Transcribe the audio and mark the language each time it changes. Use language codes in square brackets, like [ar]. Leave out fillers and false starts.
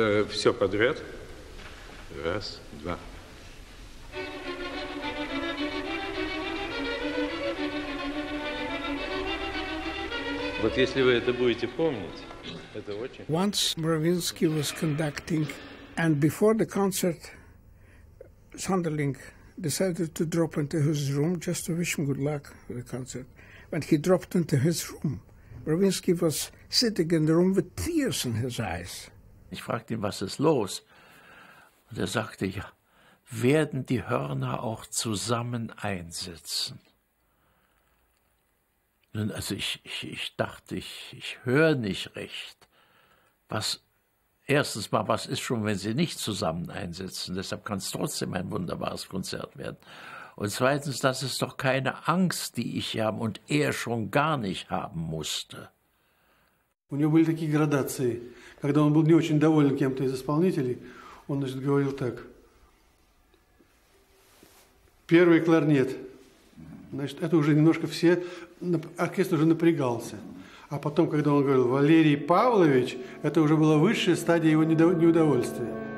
[ru] Все подряд. Раз, два. Вот если вы это будете помнить, это очень... [en] Once Mravinsky was conducting, and before the concert, Sonderling decided to drop into his room just to wish him good luck for the concert. When he dropped into his room, Mravinsky was sitting in the room with tears in his eyes. [de] Ich fragte ihn, was ist los? Und er sagte, ja, werden die Hörner auch zusammen einsetzen? Nun, also ich dachte, ich höre nicht recht. Was, erstens mal, was ist schon, wenn sie nicht zusammen einsetzen? Deshalb kann es trotzdem ein wunderbares Konzert werden. Und zweitens, das ist doch keine Angst, die ich habe und er schon gar nicht haben musste. [ru] У него были такие градации. Когда он был не очень доволен кем-то из исполнителей, он, значит, говорил так. Первый кларнет. Значит, это уже немножко все... Оркестр уже напрягался. А потом, когда он говорил «Валерий Павлович», это уже была высшая стадия его неудовольствия.